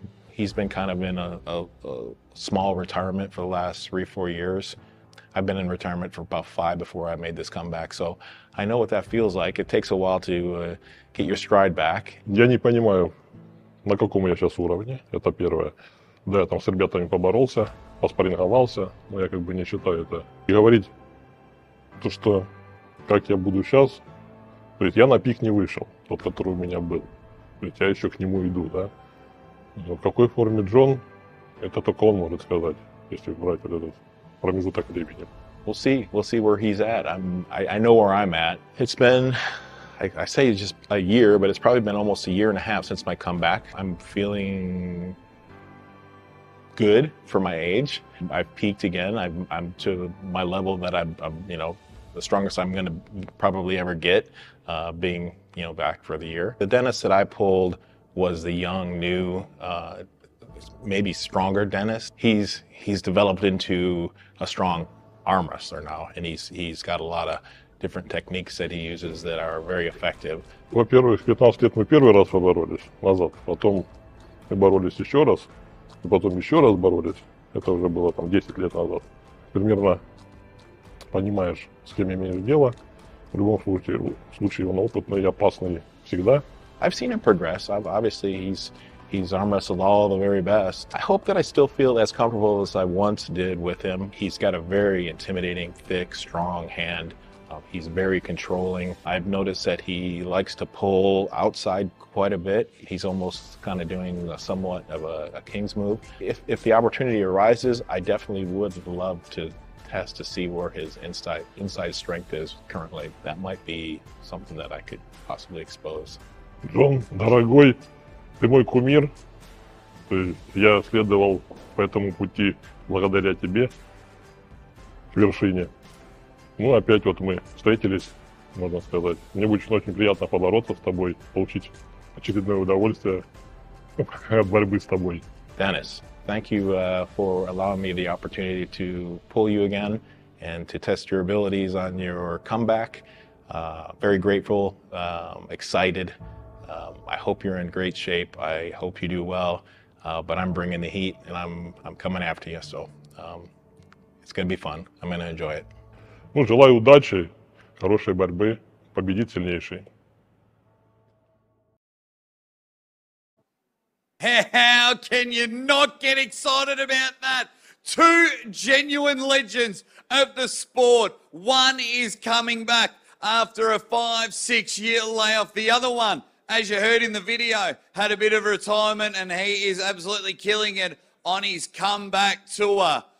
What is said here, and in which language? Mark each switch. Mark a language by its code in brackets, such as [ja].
[en] He's been kind of in a small retirement for the last 3-4 years. I've been in retirement for about 5 before I made this comeback, so I know what that feels like. It takes a while to get your stride back. [ru] Я не понимаю, на каком я сейчас уровне. Это первое. Да, я там с ребятами поборолся, поспарринговался, но я как бы не считаю это. И говорить то, что как я буду сейчас, то есть я на пик не вышел, тот, который у меня был. Я еще к нему иду, да? Но в какой форме Джон, это только он может сказать, если брать вот этот промежуток времени. [en] We'll see where he's at. I know where I'm at. It's been, I say just a year, but it's probably been almost a year and a half since my comeback. I'm feeling good for my age. I've peaked again. I'm to my level that I'm you know, the strongest I'm going to probably ever get, being, you know, back for the year. The Dennis that I pulled was the young, new, maybe stronger Dennis. He's developed into a strong arm wrestler now, and he's got a lot of different techniques that he uses that are very effective. [ru] Во-первых, 15 лет мы первый раз поборолись назад, потом мы боролись еще раз, и потом еще раз боролись. Это уже было там 10 лет назад. Примерно понимаешь, с кем имеешь дело. В любом случае, он опытный и опасный всегда. [en] I've seen him progress. Obviously, he's arm wrestled all the very best. I hope that I still feel as comfortable as I once did with him. He's got a very intimidating, thick, strong hand. He's very controlling. I've noticed that he likes to pull outside quite a bit. He's almost kind of doing somewhat of a king's move. If the opportunity arises, I definitely would love to has to see where his inside strength is currently. That might be something that I could possibly expose. [ru] Джон, дорогой, ты мой кумир. Я следовал по этому пути благодаря тебе к вершине. Ну, опять вот мы встретились, можно сказать. Мне будет очень приятно побороться с тобой, получить очередное удовольствие от борьбы с тобой. [en] Dennis. Thank you for allowing me the opportunity to pull you again and to test your abilities on your comeback. Very grateful, excited. I hope you're in great shape. I hope you do well, but I'm bringing the heat and I'm coming after you. So it's going to be fun. I'm going to enjoy it. [ru] Ну, желаю удачи, хорошей борьбы, победить сильнейший. [en] How can you not get excited about that? Two genuine legends of the sport. One is coming back after a 5-6 year layoff. The other one, as you heard in the video, had a bit of retirement and he is absolutely killing it on his comeback tour.